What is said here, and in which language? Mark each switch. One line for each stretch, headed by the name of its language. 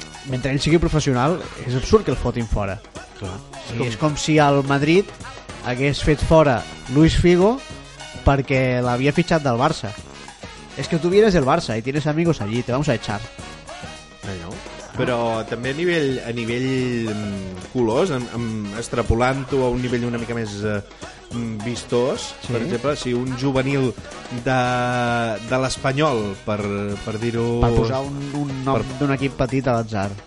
Catalan: Mentre ell sigui professional, és absurd que el fotin fora. Clar. És com si el Madrid hagués fet fora Luis Figo perquè l'havia fitxat del Barça.
Spanish: És que tu vienes del Barça i tienes amigos allí, te vamos a echar.
Catalan: Allò... però també a nivell colors, extrapolant-ho a un nivell una mica més vistós, sí. Per exemple, si un juvenil de l'Espanyol, per dir-ho... per posar un nom d'un equip petit a l'atzar.